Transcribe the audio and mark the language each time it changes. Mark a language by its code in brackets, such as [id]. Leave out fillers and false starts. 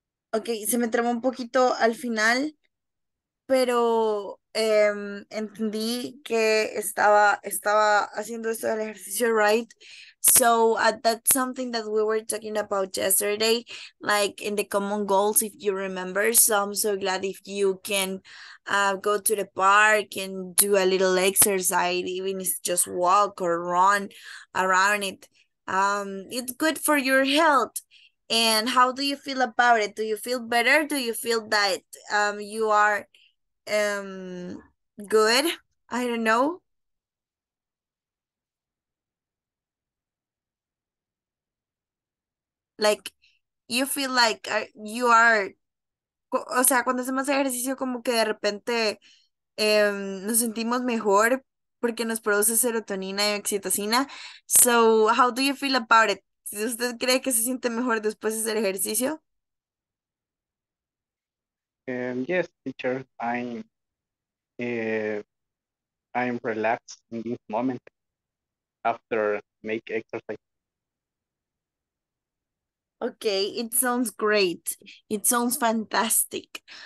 [es] Ok, se me trabó un poquito al final, pero entendí que estaba haciendo esto del ejercicio, right? [en] That's something that we were talking about yesterday, like in the common goals, if you remember. So I'm so glad if you can go to the park and do a little exercise, even if it's just walk or run around it. It's good for your health. And how do you feel about it? Do you feel better? Do you feel that you are good? I don't know. Like, you feel like you are. [es] O sea, cuando hacemos ejercicio, como que de repente nos sentimos mejor porque nos produce serotonina y oxitocina. [en] So, how do you feel about it? [es] Si usted cree que se siente mejor después de hacer ejercicio. [en] Yes, teacher, I'm relaxed in this moment after make exercise. Okay, it sounds great. It sounds fantastic.